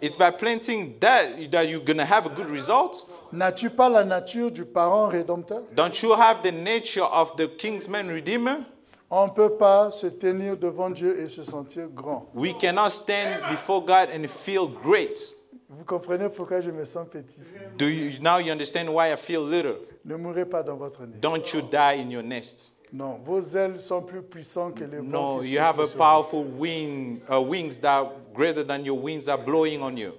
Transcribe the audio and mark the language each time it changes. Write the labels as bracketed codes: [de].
[en] It's by planting that that you're going to have a good result. [fr] N'as-tu pas la nature du parent rédempteur? [en] Don't you have the nature of the Kingsman Redeemer? [fr] On ne peut pas se tenir devant Dieu et se sentir grand. [en] We cannot stand before God and feel great. [fr] Vous comprenez pourquoi je me sens petit? [en] Do you, now you understand why I feel little? [fr] Ne mourrez pas dans votre nid. [en] Don't you die in your nest. [fr] Non, vos ailes sont plus puissantes que les vents. [en] No, you have a powerful wing, wings that are greater than your wings are blowing on you.